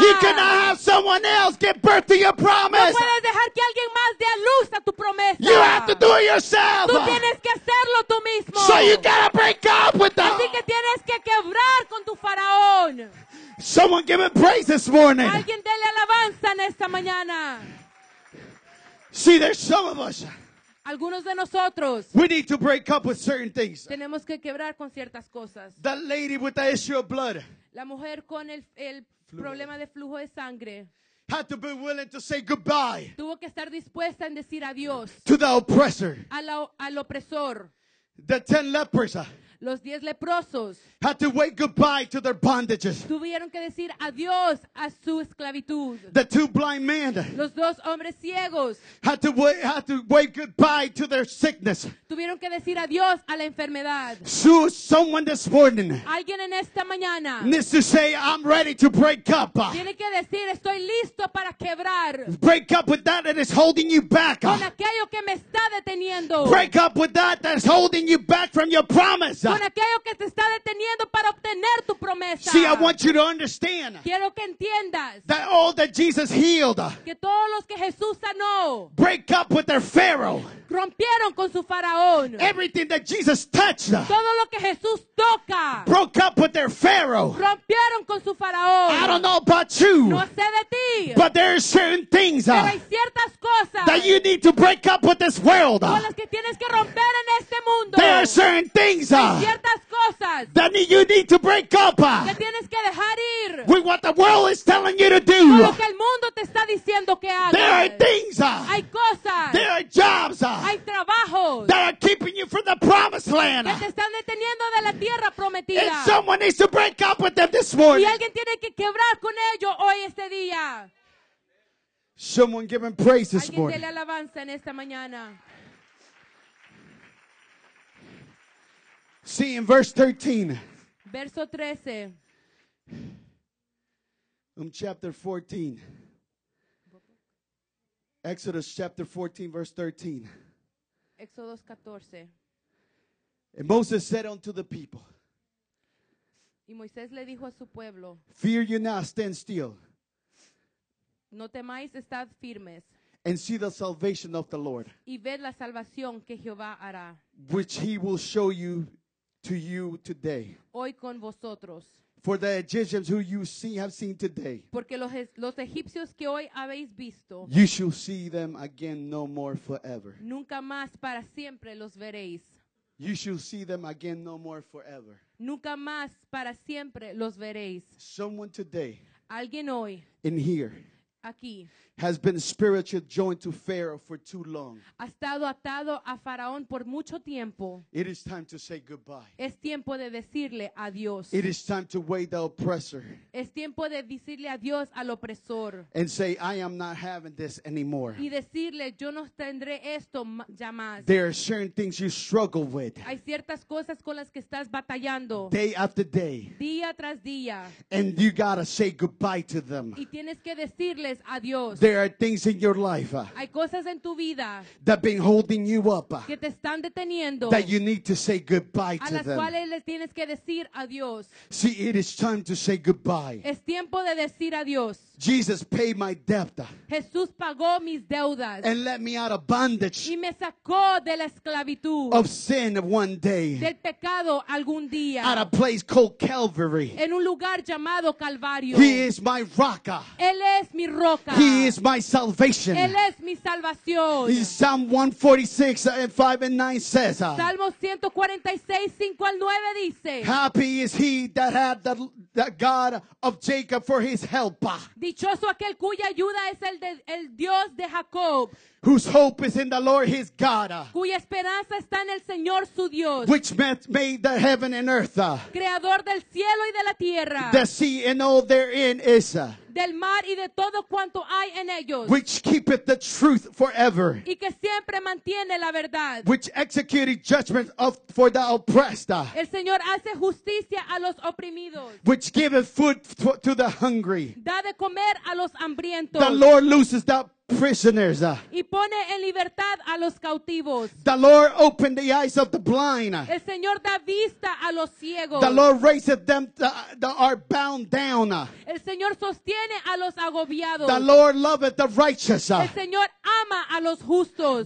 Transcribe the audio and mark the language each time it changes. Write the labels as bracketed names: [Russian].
[English] You cannot have someone else give birth to your promise. [Spanish] No puedes dejar que alguien más dé luz a tu promesa. [English] You have to do it yourself. [Spanish] Tú tienes que hacerlo tú mismo. [English] So you gotta break up with them. [Spanish] Así que tienes que quebrar con tu faraón. [English] Someone give him praise this morning. [Spanish] Alguien dele alabanza en esta mañana. [English] See, there's some of us. [Spanish] Algunos de nosotros. [English] We need to break up with certain things. [Spanish] Tenemos que quebrar con ciertas cosas. [English] The lady with the issue of blood. [Spanish] La mujer con el problema de flujo de sangre. [English] Had to be willing to say goodbye. [Spanish] Tuvo que estar dispuesta en decir adiós. [English] To the oppressor. [Spanish] Al opresor. [English] The 10 lepers. [Spanish] Los 10 leprosos. [English] Had to wait goodbye to their bondages. [Spanish] Tuvieron que decir adiós a su esclavitud. [English] The 2 blind men. [Spanish] Los 2 hombres ciegos. [English] Had to wait goodbye to their sickness. [Spanish] Tuvieron que decir adiós a la enfermedad. [English] So someone this morning. [Spanish] Alguien en esta mañana. [English] Needs to say I'm ready to break up. [Spanish] Tiene que decir estoy listo para quebrar. [English] Break up with that is holding you back. [Spanish] Con aquello que me está deteniendo. [English] Break up with that is holding you back from your promise. [Spanish] Con aquello que te está deteniendo para obtener tu promesa. [English] See, I want you to understand. [Spanish] Quiero que entiendas. [English] That all that Jesus healed. [Spanish] Que todos los que Jesús sanó. [English] Break up with their Pharaoh. [Spanish] Rompieron con su faraón. [English] Everything that Jesus touched. [Spanish] Todo lo que Jesús toca. [English] Broke up with their Pharaoh. [Spanish] Rompieron con su faraón. [English] I don't know about you. [Spanish] No sé de ti. [English] But there are certain things. [Spanish] Pero hay ciertas cosas. [English] That you need to break up with this world. [Spanish] Con las que tienes que romper en este mundo. [English] There are certain things. [Spanish] Ciertas cosas [English] that you need to break up. [Spanish] Que tienes que dejar ir. [English] With what the world is telling you to do. [Spanish] Con lo que el mundo te está diciendo que hagas. [English] There are things. [Spanish] Hay cosas. [English] There are jobs. [Spanish] Hay trabajos. [English] That are keeping you from the promised land. [Spanish] Que te están deteniendo de la tierra prometida. [English] And someone needs to break up with them this morning. [Spanish] Y alguien tiene que quebrar con ellos hoy este día. [English] Someone giving praise this morning. [Spanish] Alguien dele alabanza en esta mañana. [English] See in verse 13. [Spanish] Verso 13. [English] Chapter 14. Exodus chapter 14, verse 13. Exodus 14. And Moses said unto the people. [Spanish] Y Moisés le dijo a su pueblo. [English] Fear you not, stand still. [Spanish] No temáis, estad firmes. [English] And see the salvation of the Lord. [Spanish] Y ved la salvación que Jehová hará. [English] Which he will show you. To you today. [Spanish] Hoy con vosotros. [English] For the Egyptians who you see have seen today. [Spanish] Porque los egipcios que hoy habéis visto. [English] You shall see them again no more forever. [Spanish] Nunca más para siempre los veréis. [English] You shall see them again no more forever. [Spanish] Nunca más para siempre los veréis. [English] Someone today. [Spanish] Alguien hoy. [English] In here. [Spanish] Aquí. [English] Has been spiritually joined to Pharaoh for too long. [Spanish] Ha estado atado a Faraón por mucho tiempo. [English] It is time to say goodbye. [Spanish] Es tiempo de decirle adiós. [English] It is time to wait the oppressor. [Spanish] Es tiempo de decirle adiós al opresor. [English] And say, I am not having this anymore. [Spanish] Y decirle, yo no tendré esto ya más. [English] There are certain things you struggle with. [Spanish] Hay ciertas cosas con las que estás batallando. [English] Day after day. [Spanish] Día tras día. [English] And you gotta say goodbye to them. [Spanish] Y tienes que decirles adiós. [English] There are things in your life [Spanish] hay cosas en tu vida [English] that been holding you up [Spanish] que te están deteniendo [English] that you need to say goodbye to [Spanish] a las [English] them. [Spanish] Cuales les tienes que decir adiós. [English] See, it is time to say goodbye. [Spanish] Es tiempo de decir adiós. [English] Jesus paid my debt. [Spanish] Jesús pagó mis deudas. [English] And let me out of bondage. [Spanish] Y me sacó de la esclavitud. [English] Of sin one day. [Spanish] Del pecado algún día. [English] At a place called Calvary. [Spanish] En un lugar llamado Calvario. [English] He is my [Spanish] roca. Él es mi roca. [English] He is my salvation. [Spanish] Él es mi salvación. [English] In Psalm 146 and 5 and 9 says. [Spanish] Salmo 146, 5 al 9 dice. [English] Happy is he that had the God of Jacob for his helper. [Spanish] Dichoso aquel cuya ayuda es el Dios de Jacob. [English] Whose hope is in the Lord his God. [Spanish] Cuya esperanza está en el Señor su Dios. [English] Which made the heaven and earth. [Spanish] Creador del cielo y de la tierra. [English] The sea and all therein is. [Spanish] Del mar y de todo cuanto hay en ellos. [English] Which keepeth the truth forever. [Spanish] Y que siempre mantiene la verdad. [English] Which executed judgment for the oppressed. [Spanish] El Señor hace justicia a los oprimidos. [English] Which giveth food to the hungry. [Spanish] Da de comer a los hambrientos. [English] The Lord looses the prisoners. [Spanish] Y pone en libertad a los cautivos. [English] The Lord opened the eyes of the blind. [Spanish] El Señor da vista a los ciegos. [English] The Lord raises them that are bound down. [Spanish] El Señor sostiene a los agobiados. [English] The Lord loveth the righteous. [Spanish] El Señor ama a los justos.